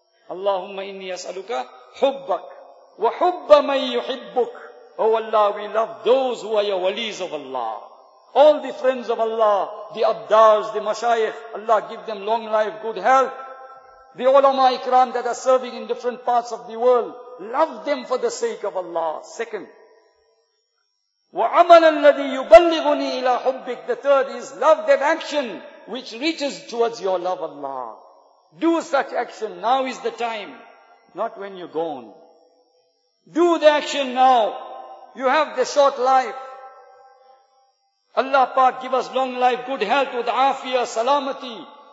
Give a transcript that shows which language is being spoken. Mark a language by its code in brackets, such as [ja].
[ar] Allahumma inni as'aluka hubbak wa hubba man yuhibbuk. [en] Oh Allah, we love those who are your walis of Allah. All the friends of Allah, the abdars, the mashayikh, Allah give them long life, good health. The ulama ikram that are serving in different parts of the world, love them for the sake of Allah. Second, [ar] وَعَمَلَ الَّذِي يُبَلِّغُنِي إِلَىٰ حُبِّكَ. [en] The third is, love that action which reaches towards your love, Allah. Do such action, now is the time, not when you're gone. Do the action now, you have the short life. Allah Pak, give us long life, good health with afiyah, salamati.